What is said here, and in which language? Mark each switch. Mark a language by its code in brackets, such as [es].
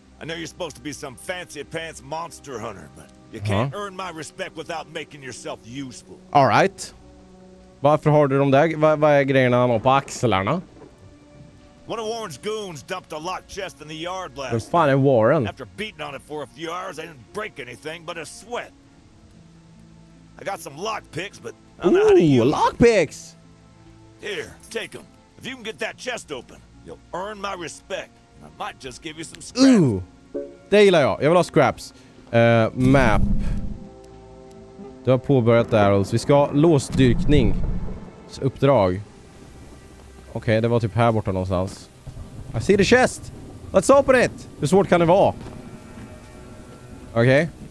[en] I know you're supposed to be some fancy pants monster hunter, but you can't earn my respect without making yourself useful. [sv] All right. Varför har du de där? Vad är grejerna på axlarna? [en] One of Warren's goons dumped a locked chest in the yard last night. Fine, Warren. After beating on it for a few hours, I didn't break anything but a sweat. I got some lock picks, but I don't know how to use them. Lock picks! Here, take them. If you can get that chest open, you'll earn my respect. I might just give you some scraps. Ooh! [sv] Det gillar jag. Jag vill ha scraps. Map. Du har påbörjat där. Vi ska ha låsdyrkningsuppdrag. Okej, det var typ här borta någonstans. [en] I see the chest! Let's open it! [sv] Hur svårt kan det vara? [en] Okej.